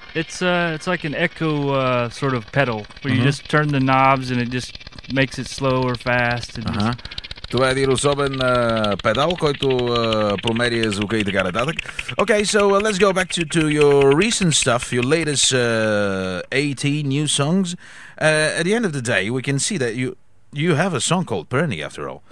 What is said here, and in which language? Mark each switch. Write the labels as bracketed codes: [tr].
[en] It's like an echo sort of pedal where mm-hmm. you just turn the knobs and it just makes it slow or fast. [bg] Това е един особен педал, който промерия звука и така нататък. [en] Okay, so let's go back to your recent stuff, your latest 18 new songs. At the end of the day, we can see that you have a song called Pernik, after all.